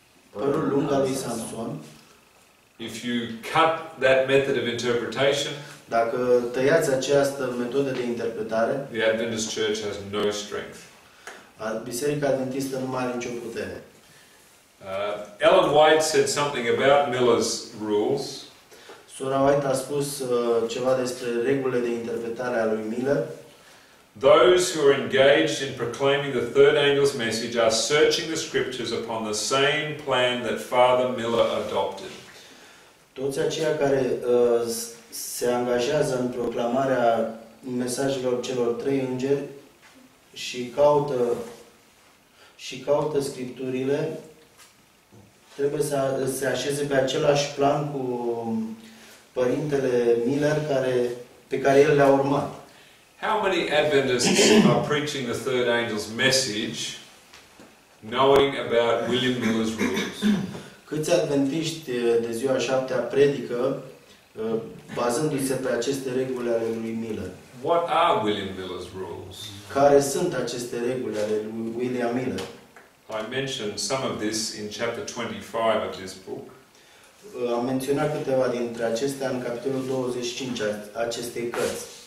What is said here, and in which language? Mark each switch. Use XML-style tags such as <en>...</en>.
<ro>Părul lung al lui Samson.</ro> <en>If you cut that method of interpretation,</en> <ro>dacă tăiați această metodă de interpretare,</ro> <en>the Adventist Church has no strength.</en> <ro>Biserica Adventistă nu mai are nicio putere.</ro> <en>Ellen White said something about Miller's rules.</en> <ro>Sora White a spus ceva despre regulile de interpretare a lui Miller.</ro> <en>Those who are engaged in proclaiming the third angel's message are searching the scriptures upon the same plan that Father Miller adopted.</en> <ro>Toți aceia care se angajează în proclamarea mesajelor celor trei îngeri și caută scripturile trebuie să se așeze pe același plan cu părintele Miller pe care el l-a urmat.</ro> <en>How many Adventists are preaching the third angel's message knowing about William Miller's rules?</en> <ro>Câți adventiști de ziua șaptea predică bazându-se pe aceste reguli ale lui Miller?</ro> <en>What are William Miller's rules?</en> <ro>Care sunt aceste reguli ale lui William Miller?</ro> <en>I mentioned some of this in chapter 25 of this book.</en> <ro>Am menționat câteva dintre acestea în capitolul 25 al acestei cărți.</ro>